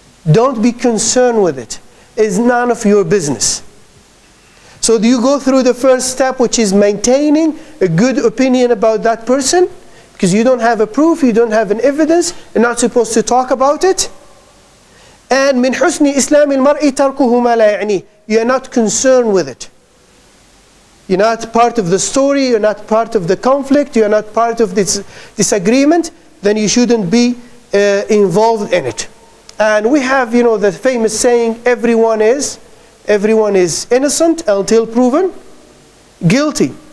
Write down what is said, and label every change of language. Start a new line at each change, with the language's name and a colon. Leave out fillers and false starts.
English: Don't be concerned with it. It's none of your business. So do you go through the first step, which is maintaining a good opinion about that person? Because you don't have a proof, you don't have an evidence, you're not supposed to talk about it.
Arabic: And من حسن إسلام المرء تركه ما لا يعني.
English: You are not concerned with it. You're not part of the story, you're not part of the conflict, you're not part of this disagreement, then you shouldn't be involved in it. And we have, you know, the famous saying, everyone is innocent until proven guilty.